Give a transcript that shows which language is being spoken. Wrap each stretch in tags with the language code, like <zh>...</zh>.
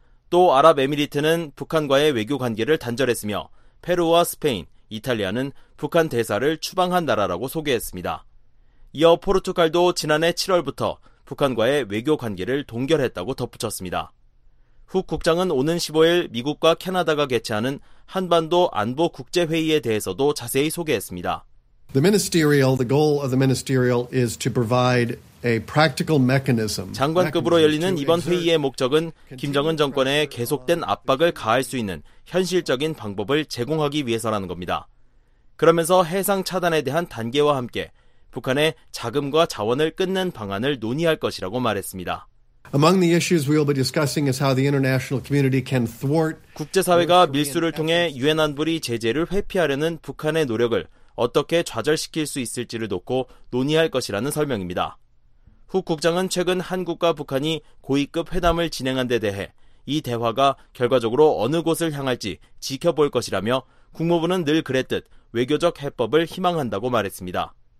<ko>또 아랍에미리트는 북한과의 외교 관계를 단절했으며 페루와 스페인, 이탈리아는 북한 대사를 추방한 나라라고 소개했습니다. 이어 포르투갈도 지난해 7월부터 북한과의 외교 관계를 동결했다고 덧붙였습니다. 훅 국장은 오는 15일 미국과 캐나다가 개최하는 한반도 안보 국제회의에 대해서도 자세히 소개했습니다.</ko> <en>The goal of the ministerial is to provide a practical mechanism.</en> <ko>장관급으로 열리는 이번 회의의 목적은 김정은 정권에 계속된 압박을 가할 수 있는 현실적인 방법을 제공하기 위해서라는 겁니다. 그러면서 해상 차단에 대한 단계와 함께 북한의 자금과 자원을 끊는 방안을 논의할 것이라고 말했습니다.</ko> <en>Among the issues we will be discussing is how the international community can thwart</en> <ko>국제사회가 밀수를 통해 유엔 안보리 제재를 회피하려는 북한의 노력을 어떻게 좌절시킬 수 있을지를 놓고 논의할 것이라는 설명입니다. 훅 국장은 최근 한국과 북한이 고위급 회담을 진행한 데 대해 이 대화가 결과적으로 어느 곳을 향할지 지켜볼 것이라며 국무부는 늘 그랬듯 외교적 해법을 희망한다고 말했습니다.</ko>